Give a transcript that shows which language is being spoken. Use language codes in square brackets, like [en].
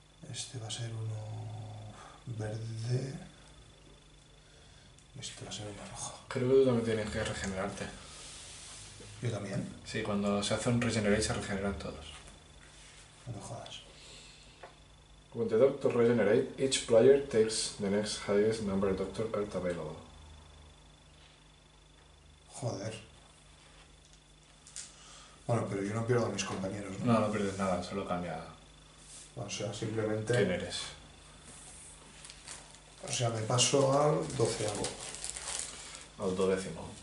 [es] Este va a ser rojo. Este va a ser uno verde. Este va a ser uno rojo. Creo que tú también tienes que regenerarte. ¿Yo también? Sí, cuando se hace un regenerate se regeneran todos. No jodas. [en] When the doctor regenerate, each player takes the next highest number doctor card available. [es] Joder. Bueno, pero yo no pierdo a mis compañeros, ¿no? No, no pierdes nada, solo cambia. O sea, simplemente. ¿Quién eres? O sea, me paso al 12avo. Al 12avo.